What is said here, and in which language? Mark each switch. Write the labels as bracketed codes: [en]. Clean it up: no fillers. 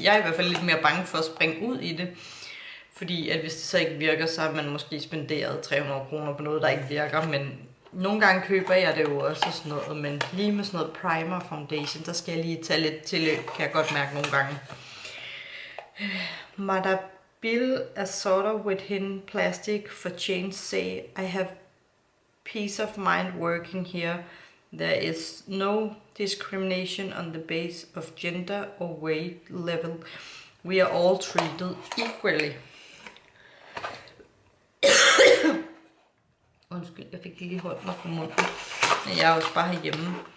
[da] Jeg er i hvert fald lidt mere bange for at springe ud i det. Fordi at hvis det så ikke virker, så har man måske spenderet 300 kroner på noget, der ikke virker. Men nogle gange køber jeg det jo også sådan noget. Men lige med sådan noget primer foundation, der skal jeg lige tage lidt tilløb, kan jeg godt mærke nogle gange. [en] Bill Assorter with Hidden Plastic for Change say, I have peace of mind working here. There is no discrimination on the base of gender or weight level. We are all treated equally. [da] Undskyld, jeg fik lige holdt mig på munden. Men jeg er også bare herhjemme.